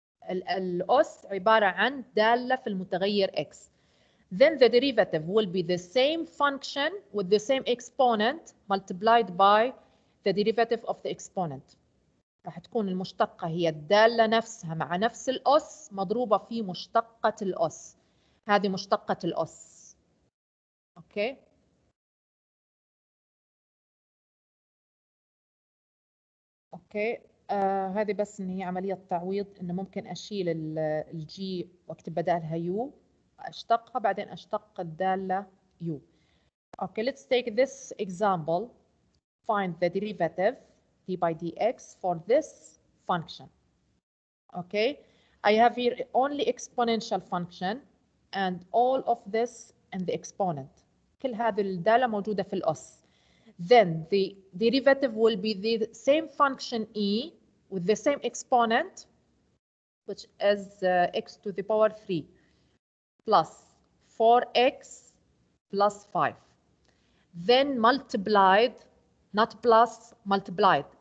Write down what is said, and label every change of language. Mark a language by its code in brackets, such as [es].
[ar] الأس عبارة عن دالة في المتغير x. [en] Then the derivative will be the same function with the same exponent multiplied by the derivative of the exponent. [ar] راح تكون المشتقة هي الدالة نفسها مع نفس الأس مضروبة في مشتقة الأس. هذه مشتقة الأس. أوكي. أوكي. هذه بس إن هي عملية تعويض، إن ممكن أشيل الجي وأكتب بدالها يو، أشتقها بعدين أشتق الدالة يو. [en] Okay let's take this example. Find the derivative d by dx for this function. Okay. I have here only exponential function and all of this in the exponent. [ar] كل هذه الدالة موجودة في الأس. [en] Then the derivative will be the same function e with the same exponent, which is x to the power 3 plus 4x plus 5. Then multiplied, not plus, multiplied.